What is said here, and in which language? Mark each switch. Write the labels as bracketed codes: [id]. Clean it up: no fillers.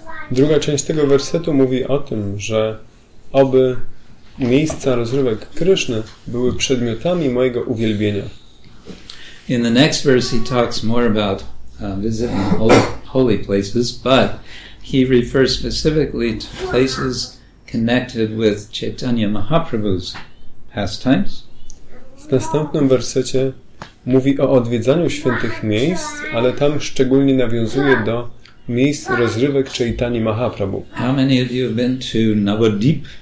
[pl] Druga część tego wersetu mówi o tym, że aby miejsca rozrywek Kryszny były przedmiotami mojego uwielbienia. [en] In the next verse he talks more about visiting holy places, but he refers specifically to places connected with Chaitanya Mahaprabhu's pastimes. [pl] W następnym wersecie mówi o odwiedzaniu świętych miejsc, ale tam szczególnie nawiązuje do miejsc rozrywek Chaitanya Mahaprabhu. [en] How many of you have been to Navadvip?